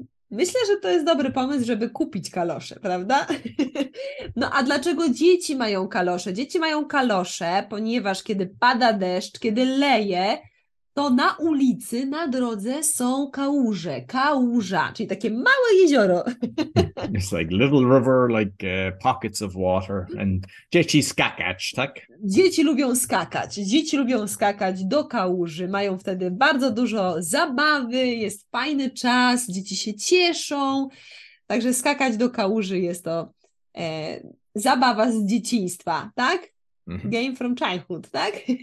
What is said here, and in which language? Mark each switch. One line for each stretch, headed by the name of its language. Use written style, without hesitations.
Polish: Myślę, że to jest dobry pomysł, żeby kupić kalosze, prawda? No a dlaczego dzieci mają kalosze? Dzieci mają kalosze, ponieważ kiedy pada deszcz, kiedy leje, to na ulicy, na drodze są kałuże, kałuża, czyli takie małe jezioro.
English: It's like little river, like pockets of water and
Polish: dzieci skakać, tak? Dzieci lubią skakać, do kałuży, mają wtedy bardzo dużo zabawy, jest fajny czas, dzieci się cieszą, także skakać do kałuży jest to zabawa z dzieciństwa, tak?
English: Game from childhood,
Polish: tak?